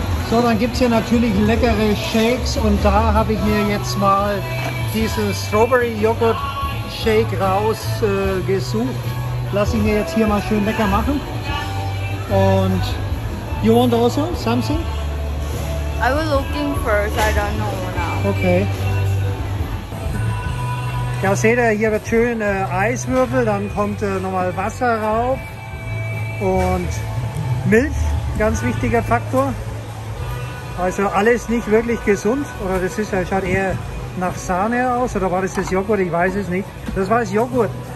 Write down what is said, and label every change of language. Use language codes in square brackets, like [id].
[de] So, dann gibt es hier natürlich leckere Shakes. Und da habe ich mir jetzt mal diesen Strawberry Joghurt Shake rausgesucht. Lass ich mir jetzt hier mal schön lecker machen. Und [en] you want also something? I was looking first, I don't know now. Okay. [de] Ja, seht ihr, hier wird schön Eiswürfel, dann kommt nochmal Wasser rauf und Milch, ganz wichtiger Faktor. Also alles nicht wirklich gesund, oder das ist, schaut eher nach Sahne aus, oder war das Joghurt, ich weiß es nicht. Das war das Joghurt.